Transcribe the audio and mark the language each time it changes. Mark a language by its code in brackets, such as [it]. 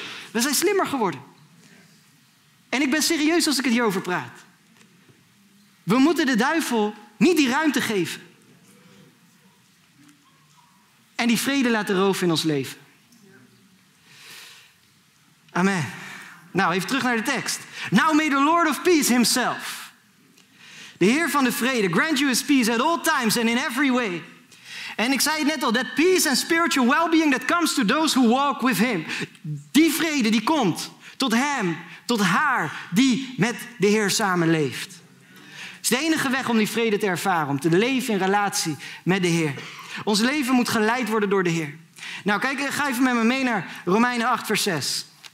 [nl] We zijn slimmer geworden. En ik ben serieus als ik het hierover praat. We moeten de duivel niet die ruimte geven. En die vrede laten roven in ons leven. Amen. Nou, even terug naar de tekst. [en] Now may the Lord of peace himself, the [nl] Heer van de vrede, [en] grant you his peace at all times and in every way. [nl] En ik zei het net al, [en] that peace and spiritual well-being that comes to those who walk with him. [nl] Die vrede die komt tot hem, tot haar, die met de Heer samenleeft. Het is de enige weg om die vrede te ervaren, om te leven in relatie met de Heer. Ons leven moet geleid worden door de Heer. Nou, kijk, ga even met me mee naar Romeinen 8, vers 6.